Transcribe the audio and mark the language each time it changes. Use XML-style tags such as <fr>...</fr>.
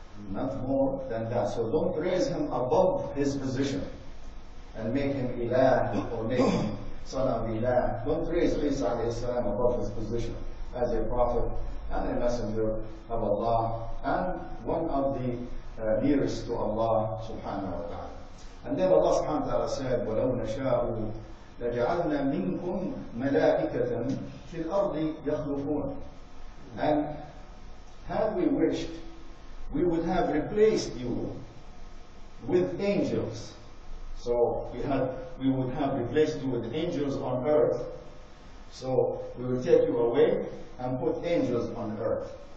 <en>Not more than that. So don't raise him above his position and make him ilah or make him son of ilah. Don't raise Isa alayhi salam above his position as a prophet and a messenger of Allah and one of the nearest to Allah subhanahu wa ta'ala. And then Allah subhanahu wa ta'ala said,</en> <ar>وَلَوْ نَشَاءُ لَجَعَلْنَا مِنْكُمْ مَلَائِكَةً فِي الْأَرْضِ يَخْلُفُونَ.</ar> <en>And had we wished, we would have replaced you with angels. So we would have replaced you with angels on earth. So we will take you away and put angels on earth.</en>